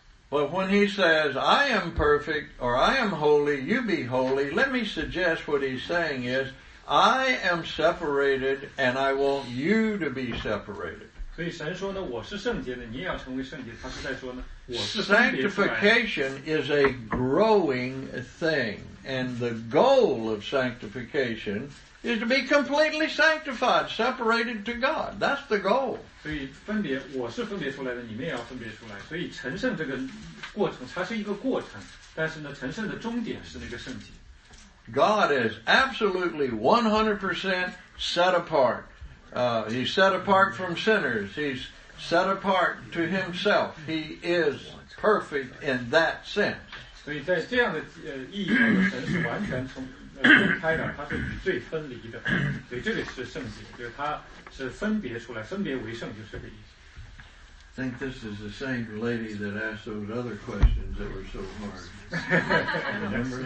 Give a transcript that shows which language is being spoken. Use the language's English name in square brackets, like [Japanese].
[English] But when he says, I am perfect, or I am holy, you be holy, let me suggest what he's saying is, I am separated, and I want you to be separated. Sanctification is a growing thing, and the goal of sanctification is to be completely sanctified, separated to God. That's the goal. [Chinese] 所以分别，我是分别出来的，你们也要分别出来。所以成圣这个过程，它是一个过程，但是呢，成圣的终点是那个圣洁。 [English] God is absolutely 100% set apart. He's set apart from sinners. He's set apart to Himself. He is perfect in that sense. [Chinese] 所以在这样的意义上，神是完全从。 [English] I think this is the same lady that asked those other questions that were so hard.